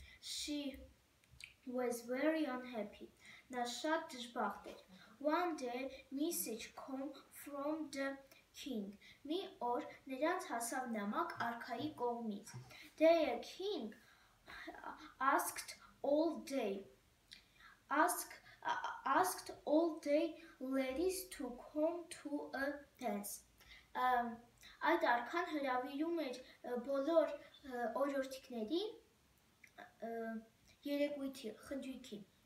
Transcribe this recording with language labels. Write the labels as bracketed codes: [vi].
[en] She was very unhappy. [hy] Նա շատ դժբախտ էր. [en] One day, message came from the king. [hy] Մի օր նրանց հասավ նամակ արքայի կողմից. [en] The king asked all the ladies to come to a dance. [hy] Այդ արքան հրավիրում էր բոլոր օրորտիկների երեկույթի, խնջույքի.